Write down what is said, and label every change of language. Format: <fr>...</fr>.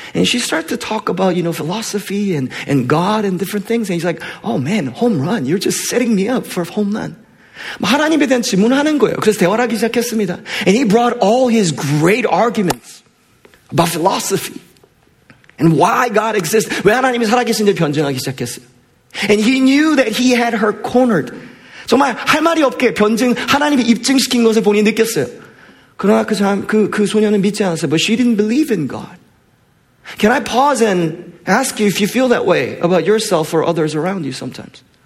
<en>And she started to talk about, you know, philosophy and God and different things. And he's like, oh man, home run. You're just setting me up for home run.</en> <ko>하나님에 대한 질문을 하는 거예요. 그래서 대화를 하기 시작했습니다.</ko> <en>And he brought all his great arguments about philosophy and why God exists.</en> <ko>왜 하나님이 살아계신지 변증하기 시작했어요.</ko> <en>And he knew that he had her cornered.</en> <ko>정말 할 말이 없게 변증 하나님이 입증시킨 것을 본인이 느꼈어요. 그러나 그 소녀는 믿지 않았어요.</ko> <en>But she didn't believe in God. Can I pause and ask you if you feel that way about yourself or others around you sometimes?</en>